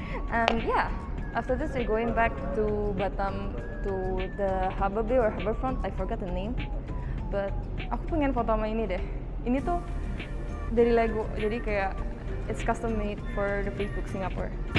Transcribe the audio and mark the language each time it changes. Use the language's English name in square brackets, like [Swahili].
[English] And yeah, after this we're going back to Batam to the Harbor Bay or Harborfront, I forgot the name. [Indonesian] But aku pengen foto sama ini deh. Ini tuh dari Lego, jadi kayak [English] It's custom made for the Facebook Singapore.